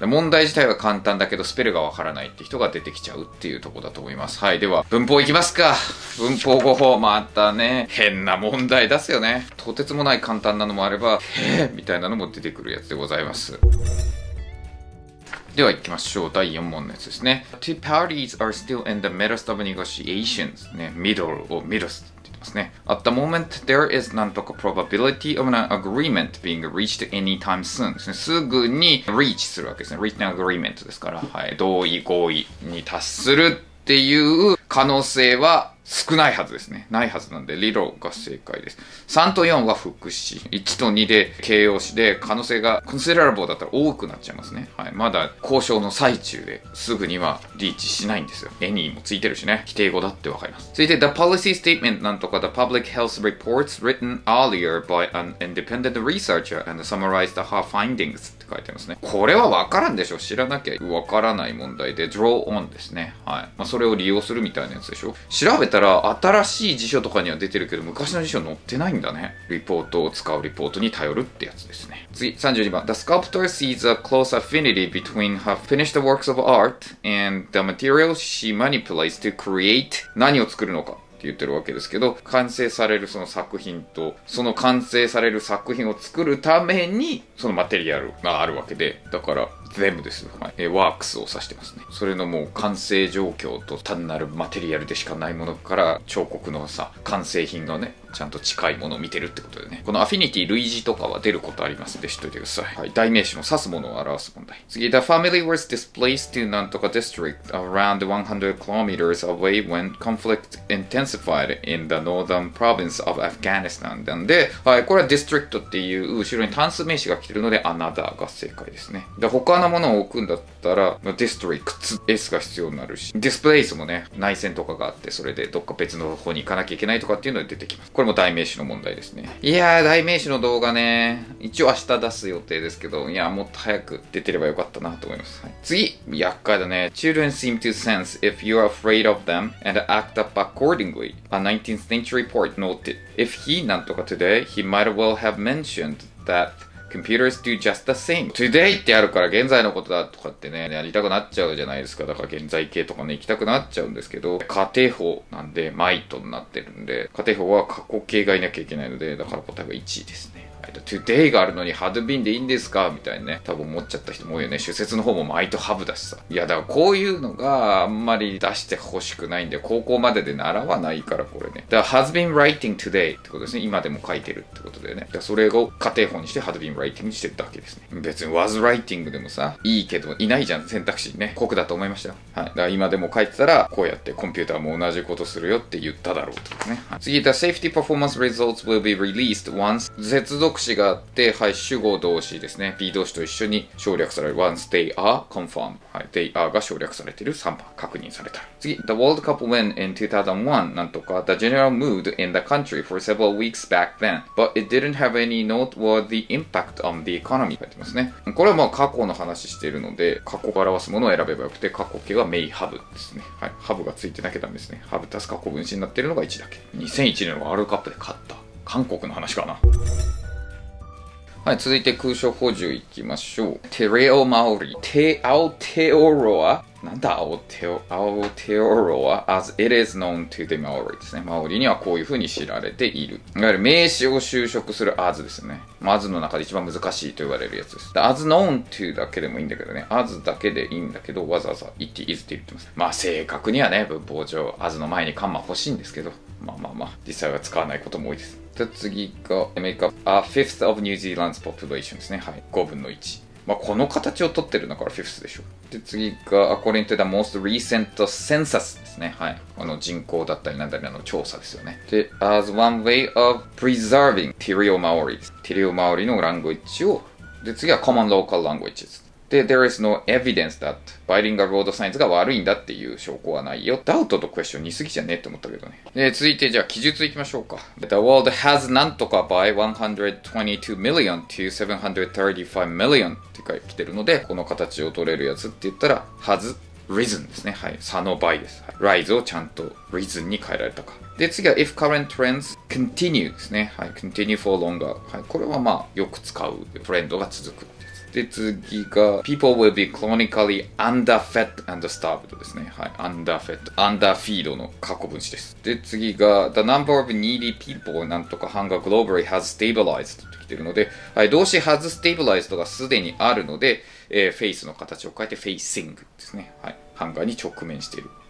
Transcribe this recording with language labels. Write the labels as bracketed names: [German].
[Japanese] 問題自体は簡単だけどスペルがわからないって人が出てきちゃうっていうところだと思います。はい、では文法いきますか。文法語法またね、変な問題出すよね。とてつもない簡単なのもあればへーみたいなのも出てくるやつでございます。では行きましょう。第4問のやつですね。 [English] Two parties are still in the midst of negotiations、ね、 [Japanese] middle を middle って言ってますね。 [English] At the moment there is [Japanese] 何とか [English] probability of an agreement being reached anytime soon [Japanese] です、ね、すぐに reach するわけですね。 [English] reach an agreement [Japanese] ですから、はい、同意合意に達するっていう可能性は少ないはずですね。ないはずなんで、理論が正解です。3と4は副詞。 1と2で形容詞で、可能性が considerable だったら多くなっちゃいますね。はい。まだ交渉の最中ですぐにはリーチしないんですよ。 any もついてるしね。否定語だってわかります。 [English] 続いて、the policy statement [Japanese] なんとか [English] the public health reports written earlier by an independent researcher and summarized her findings [Japanese] って書いてますね。これはわからんでしょう。知らなきゃわからない問題で、draw on ですね。はい。まあ、それを利用するみたいなやつでしょ。調べ言ったら新しい辞書とかには出てるけど昔の辞書載ってないんだね。リポートを使うリポートに頼るってやつですね。次32番、 [English] The sculptor sees a close affinity between her finished works of art and the materials she manipulates to create [Japanese] 何を作るのかって言ってるわけですけど、完成されるその作品とその完成される作品を作るためにそのマテリアルがあるわけで、だから全部ですよ。はい。ワークスを指してますね。それのもう完成状況と単なるマテリアルでしかないものから彫刻のさ、完成品がね、ちゃんと近いものを見てるってことでね。このアフィニティ類似とかは出ることありますので、知っといてください。はい。代名詞の指すものを表す問題。 [English] 次、The family was displaced to [Japanese] なんとか [English] district around 100 kilometers away when conflict intensified in the northern province of Afghanistan. [Japanese] なんで、はい、これは district っていう後ろに単数名詞が来てるので、another が正解ですね。で他のものを置くんだったら、まあ、districts S が必要になるし、displace もね、内戦とかがあって、それでどっか別の方に行かなきゃいけないとかっていうのが出てきます。これも代名詞の問題ですね。いやー、代名詞の動画ね、一応明日出す予定ですけど、いやー、もっと早く出てればよかったなと思います。はい、次、厄介だね。 [English] Children seem to sense if you're afraid of them and act up accordingly. A 19th century report noted, if he, [Japanese] なんとか [English] today, he might well have mentioned thatComputers do just the same. [Japanese] Today ってあるから現在のことだとかってね、やりたくなっちゃうじゃないですか。だから現在形とかね、行きたくなっちゃうんですけど、仮定法なんで、might になってるんで、仮定法は過去形がいなきゃいけないので、だから答えが1ですね。 Today があるのに had been でいいんですかみたいなね、多分思っちゃった人も多いよね。主説の方も might have だしさ。いや、だからこういうのがあんまり出してほしくないんで、高校までで習わないからこれね。だから has been writing today ってことですね。今でも書いてるってことだよね。だからそれを仮定法にして had been writing にしてるだけですね。別に was writing でもさ、いいけどいないじゃん、選択肢にね。酷だと思いましたよ。はい。だから今でも書いてたら、こうやってコンピューターも同じことするよって言っただろうってことね。はい、次、 [English] the safety performance results will be released once [Japanese] 接続詞があって、はい、主語動詞ですね。B 動詞と一緒に省略される。 [English] Once they are confirmed. [Japanese] はい。 They are が省略されている。 3番。確認された。次。 [English] The World Cup win in 2001. なんとか。The general mood in the country for several weeks back then. But it didn't have any noteworthy impact on the economy. [Japanese] 書いてますね。これはまあ過去の話しているので、過去を表すものを選べばよくて、過去形は may have ですね。はい。 have がついてなきゃダメですね。have 足す過去分詞になっているのが1だけ。2001年のワールドカップで勝った。韓国の話かな。はい、続いて空所補充いきましょう。テレオマオリ、テアオテオロア、なんだ、アオテオロア、as it is known to the Maori ですね。マオリにはこういう風に知られている。いわゆる名詞を修飾する as ですね。 as の中で一番難しいと言われるやつです。as known to だけでもいいんだけどね。 as だけでいいんだけど、わざわざ it is って言ってます。まあ正確にはね、文法上、as の前にカンマ欲しいんですけど、まあまあまあ、実際は使わないことも多いです。 [English] 次が、make up a fifth of New Zealand's population [Japanese] ですね。はい。5分の1。まあ、この形を取ってるのから fifth でしょ。 [English] で次が according to the most recent census ですね。 [Japanese] はい、この人口だったりなんだりの調査ですよね。 [English] で as one way of preserving Tirio Maori、 Tirio Maori [Japanese] のランゴイッチを、で次は [English] common local languages で there is no evidence that bilingual road signs [Japanese] が悪いんだっていう証拠はないよ。 doubt とクエスチョン似すぎじゃねえって思ったけどね。で続いてじゃあ記述いきましょうか。 [English] The world has [Japanese] なんとか [English] by 122 million to 735 million [Japanese] って書いてきてるので、この形を取れるやつって言ったら has risen ですね。はい、差の倍です。 rise をちゃんと risen に変えられたか。で次は if current trends continue ですね。はい、continue for longer、はい、これはまあよく使うトレンドが続く。 [English] で次が people will be chronically underfed and starved [Japanese] ですね。はい、underfed、underfeed の過去分詞です。で次が [English] the number of needy people [Japanese] なんとか [English] hunger globally has stabilized [Japanese] ってきてるので、はい、動詞 has stabilized がすでにあるので、face の形を変えて facing ですね。はい、hunger に直面している。